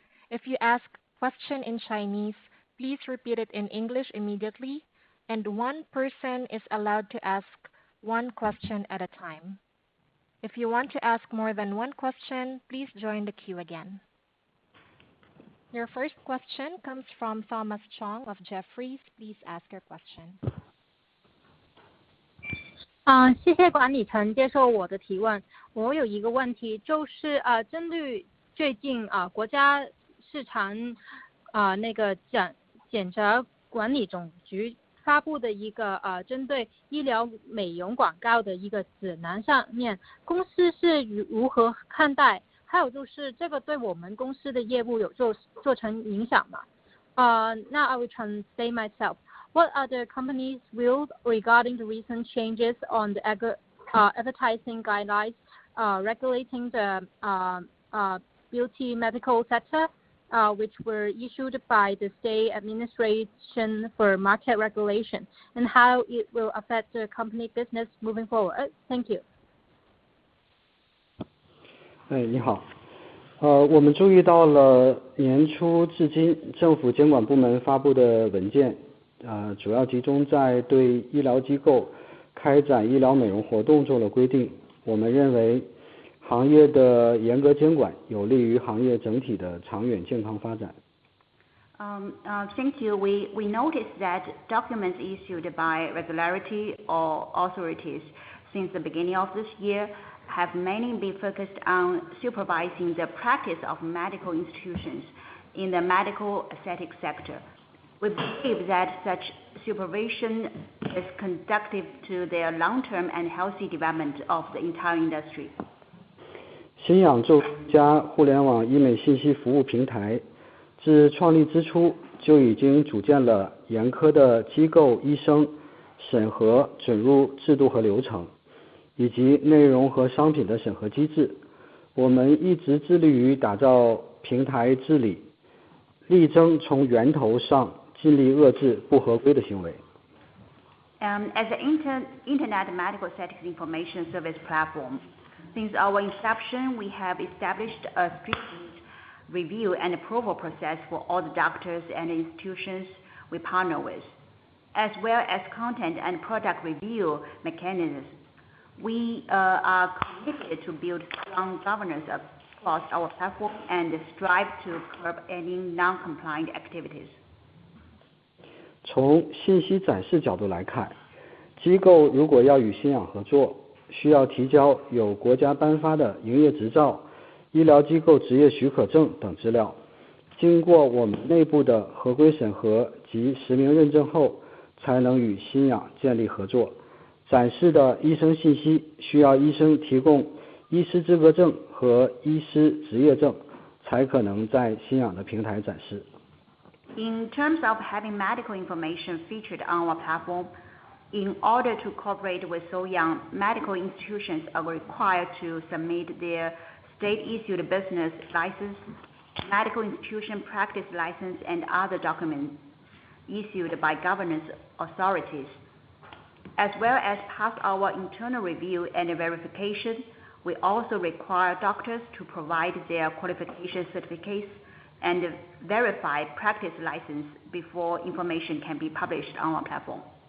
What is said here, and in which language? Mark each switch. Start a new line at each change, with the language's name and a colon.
English: If you ask question in Chinese, please repeat it in English immediately, and one person is allowed to ask one question at a time. If you want to ask more than one question, please join the queue again. Your first question comes from Thomas Chong of Jefferies. Please ask your question.
Chinese: 谢谢管理层接受我的提问。我有一个问题，就是针对最近国家市场那个检察管理总局发布的一个针对医疗美容广告的一个指南上面，公司是如何看待？还有就是这个对我们公司的业务有做成影响吗？
English: Now I will translate myself. What are the company's views regarding the recent changes on the advertising guidelines regulating the beauty medical sector, which were issued by the State Administration for Market Regulation, and how it will affect the company business moving forward? Thank you.
Chinese: 哎，你好。我们注意到了年初至今政府监管部门发布的文件，主要集中在对医疗机构开展医疗美容活动做了规定。我们认为行业的严格监管有利于行业整体的长远健康发展。
English: Thank you. We noticed that documents issued by regulatory authorities since the beginning of this year have mainly been focused on supervising the practice of medical institutions in the medical aesthetic sector. We believe that such supervision is conducive to the long-term and healthy development of the entire industry.
Chinese: 新氧作为一家互联网医美信息服务平台，自创立之初就已经组建了严苛的机构、医生审核、准入制度和流程，以及内容和商品的审核机制。我们一直致力于打造平台治理，力争从源头上尽力遏制不合规的行为。
English: As an internet medical aesthetics information service platform, since our inception, we have established a strict review and approval process for all the doctors and institutions we partner with, as well as content and product review mechanisms. We are committed to build strong governance across our platform and strive to curb any non-compliant activities.
Chinese: 从信息展示角度来看，机构如果要与新氧合作，需要提交有国家颁发的营业执照、医疗机构执业许可证等资料。经过我们内部的合规审核及实名认证后，才能与新氧建立合作。展示的医生信息需要医生提供医师资格证和医师执业证，才可能在新氧的平台展示。
English: In terms of having medical information featured on our platform, in order to cooperate with Soyang, medical institutions are required to submit their state-issued business license, medical institution practice license, and other documents issued by governance authoritiesAs well as pass our internal review and verification, we also require doctors to provide their qualification certificates and verify practice license before information can be published on our platform.